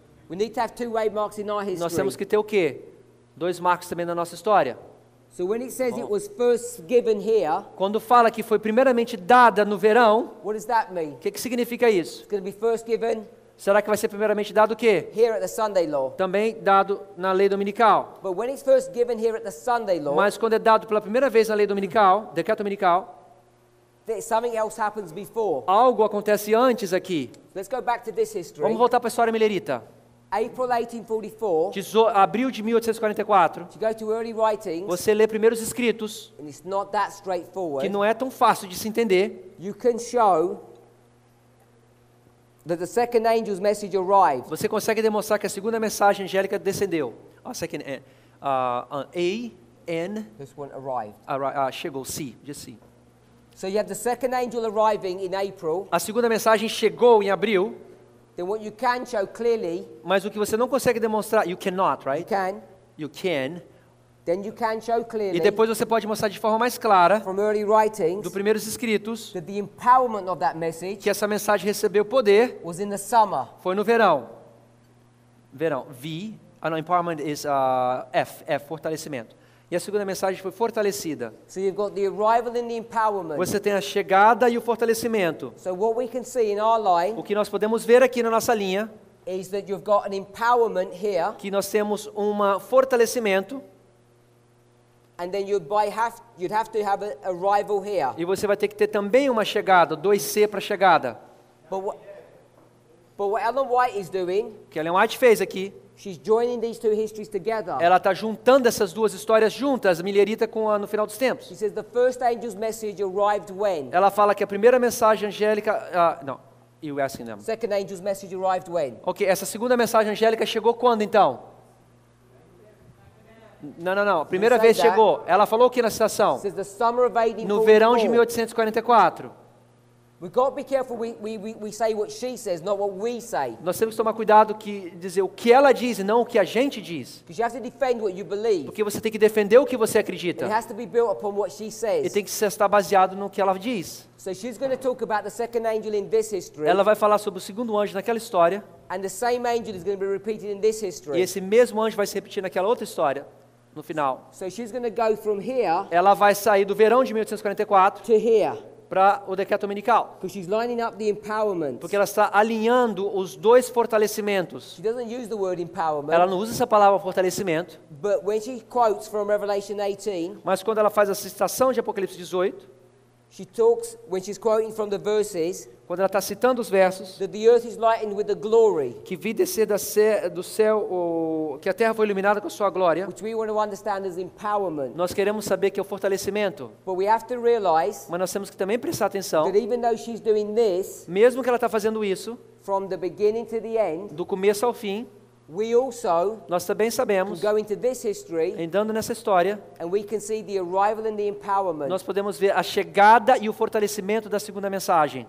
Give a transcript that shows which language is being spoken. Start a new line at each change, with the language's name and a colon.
English: We need to have two waymarks in our history.
Portuguese: Nós temos que ter o quê? Dois marcos também na nossa história.
English: So when it says it was first given here,
Portuguese: quando fala que foi primeiramente dada no verão,
English: what does that mean?
Portuguese: O que significa isso?
English: It's going to be first given.
Portuguese: Será que vai ser primeiramente dado o quê?
English: Here at the Sunday law.
Portuguese: Também dado na lei dominical.
English: But when it's first given here at the Sunday law,
Portuguese: mas quando é dado pela primeira vez na lei dominical, decreto dominical,
English: something else happens before.
Portuguese: Algo acontece antes aqui.
English: Let's go back to this history.
Portuguese: Vamos voltar para a história milerita.
English: April 1844.
Portuguese: Abril de 1844.
English: To go to early writings,
Portuguese: você lê primeiros escritos.
English: And it's not that straightforward.
Portuguese: Que não é tão fácil de se entender.
English: You can show that the second angel's message arrived.
Portuguese: Você consegue demonstrar que a segunda mensagem angélica descendeu.
English: A second A N. This one arrived.
Portuguese: Chegou. C. Just C.
English: So you have the second angel arriving in April.
Portuguese: A segunda mensagem chegou em abril.
English: Then what you can show clearly,
Portuguese: mas o que você não consegue demonstrar,
English: you cannot, right? You can. Then you can show clearly,
Portuguese: e depois você pode mostrar de forma mais clara,
English: from early writings,
Portuguese: do primeiros escritos,
English: that the empowerment of that message,
Portuguese: que essa mensagem recebeu poder,
English: was in the summer.
Portuguese: Foi no verão. Verão. V. Não,
English: empowerment is F.
Portuguese: F, fortalecimento. E a segunda mensagem foi fortalecida.
English: So you've got the arrival and the empowerment.
Portuguese: Você tem a chegada e o fortalecimento.
English: So what we can see in our line,
Portuguese: o que nós podemos ver aqui na nossa linha,
English: is that you've got an empowerment here,
Portuguese: que nós temos um fortalecimento,
English: and then you'd have to have an arrival here.
Portuguese: E você vai ter que ter também uma chegada, 2C para a chegada.
English: But what Ellen White is doing,
Portuguese: que Ellen White fez aqui,
English: she's joining these two histories together.
Portuguese: Ela está juntando essas duas histórias juntas, milerita com a no final dos tempos.
English: She says the first angel's message arrived when?
Portuguese: Ela fala que a primeira mensagem angélica, não,
English: you asking them. Second angel's message arrived when?
Portuguese: Okay, essa segunda mensagem angélica chegou quando então? Não. A primeira vez chegou. Ela falou o que na citação?
English: Says the summer of 1844.
Portuguese: No verão de 1844.
English: We got to be careful we say what she says, not what we say.
Portuguese: Nós temos que tomar cuidado que dizer o que ela diz e não o que a gente diz.
English: Because you have to defend what you believe.
Portuguese: Porque você tem que defender o que você acredita.
English: It has to be built upon what she says.
Portuguese: E tem que estar baseado no que ela diz.
English: So she's going to talk about the second angel in this history.
Portuguese: Ela vai falar sobre o segundo anjo naquela história.
English: And the same angel is going to be repeated in this history.
Portuguese: E esse mesmo anjo vai se repetir naquela outra história. No final.
English: So she's going to go from here.
Portuguese: Ela vai sair do verão de 1844.
English: To here.
Portuguese: Para o decreto dominical.
English: Because she's lining up the empowerment.
Portuguese: Porque ela está alinhando os dois fortalecimentos.
English: She doesn't use the word empowerment.
Portuguese: Ela não usa essa palavra fortalecimento.
English: But when she quotes from Revelation 18,
Portuguese: mas quando ela faz a citação de Apocalipse 18,
English: she talks, when she's quoting from the verses,
Portuguese: quando ela está citando os versos,
English: that the earth is lightened with the glory,
Portuguese: que vi descer do céu, que a terra foi iluminada com a sua glória,
English: which we want to understand as empowerment.
Portuguese: Nós queremos saber que é o fortalecimento.
English: But we have to realize,
Portuguese: mas nós temos que também prestar atenção,
English: that even though she's doing this,
Portuguese: mesmo que ela está fazendo isso,
English: from the beginning to the end,
Portuguese: do começo ao fim,
English: we also,
Portuguese: nós também sabemos,
English: go into this history,
Portuguese: andando nessa história,
English: and we can see the arrival and the empowerment.
Portuguese: Nós podemos ver a chegada e o fortalecimento da segunda mensagem.